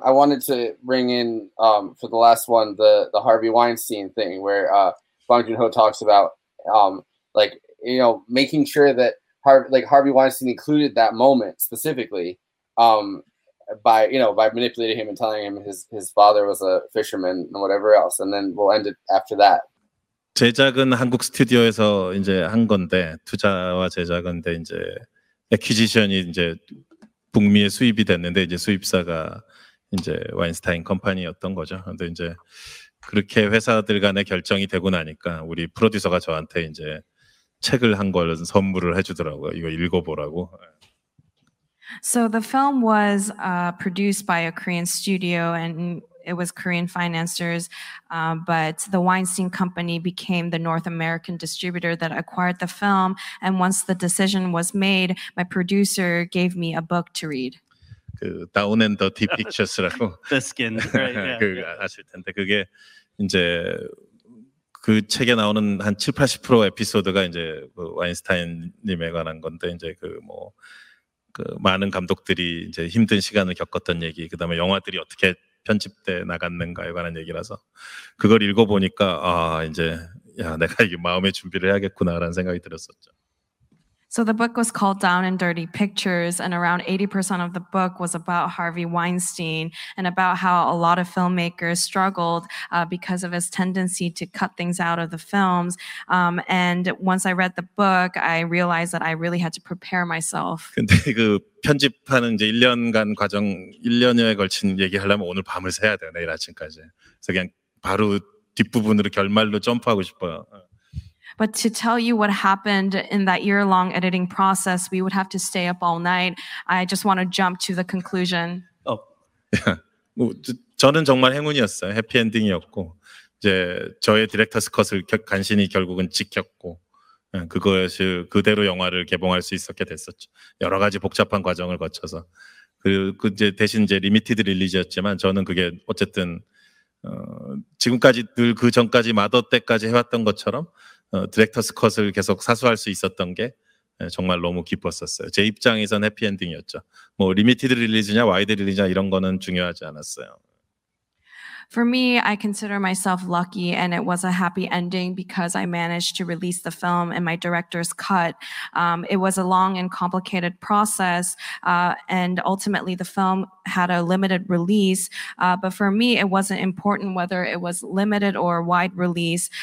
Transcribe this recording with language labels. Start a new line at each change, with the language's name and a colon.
English: I wanted to bring in for the last one, the Harvey Weinstein thing, where Bong Joon-ho talks about like, you know, making sure that Harvey Weinstein included that moment specifically. By, you know, by manipulating him and telling him his father was a fisherman and whatever else, and then we'll end it after that.
Korean: 제작은 한국 스튜디오에서 이제 한 건데, 투자와 제작인데 이제 acquisition이 이제 북미에 수입이 됐는데 이제 수입사가 이제 와인스타인 컴퍼니였던 거죠. 근데 이제 그렇게 회사들 간의 결정이 되고 나니까 우리 프로듀서가 저한테 이제 책을 한 걸 선물을 해주더라고요. 이거 읽어보라고.
English: So the film was produced by a Korean studio, and it was Korean financiers, but the Weinstein Company became the North American distributor that acquired the film. And once the decision was made, my producer gave me a book to read.
Korean: 그 Down and Dirty Pictures라고.
English: The Skin. Right, yeah.
Korean: 그 아실 텐데 그게 이제 그 책에 나오는 한 70-80% 에피소드가 이제 그 와인스타인님에 관한 건데 이제 그 뭐. 그 많은 감독들이 이제 힘든 시간을 겪었던 얘기, 그다음에 영화들이 어떻게 편집돼 나갔는가에 관한 얘기라서 그걸 읽어보니까 아 이제 야 내가 이게 마음의 준비를 해야겠구나라는 생각이 들었었죠.
English: So the book was called Down and Dirty Pictures, and around 80% of the book was about Harvey Weinstein and about how a lot of filmmakers struggled because of his tendency to cut things out of the films. And once I read the book, I realized that I really had to prepare myself.
Korean: 근데 그 편집하는 이제 1년간 과정, 1년여에 걸친 얘기하려면 오늘 밤을 새야 돼, 내일 아침까지. 그래서 그냥 바로 뒷부분으로 결말로 점프하고 싶어요.
English: But to tell you what happened in that year-long editing process, we would have to stay up all night. I just want to jump to the conclusion. Oh, yeah.
Korean: 저는 정말 행운이었어요. 해피엔딩이었고, 이제 저의 디렉터스 컷을 간신히 결국은 지켰고, 그것이 그대로 영화를 개봉할 수 있었게 됐었죠. 여러 가지 복잡한 과정을 거쳐서. 그 이제 대신 이제 리미티드 릴리즈였지만, 저는 그게 어쨌든, 지금까지 늘 그 전까지 마더 때까지 해왔던 것처럼, 디렉터스 컷을 계속 사수할 수 있었던 게 정말 너무 기뻤었어요. 제 입장에선 해피엔딩이었죠. 뭐 리미티드 릴리즈냐 와이드 릴리즈냐 이런 거는 중요하지 않았어요.
English: For me, I consider myself lucky, and it was a happy ending because I managed to release the film in my director's cut. It was a long and complicated process, and ultimately the film had a limited release. But for me, it wasn't important whether it was limited or wide release.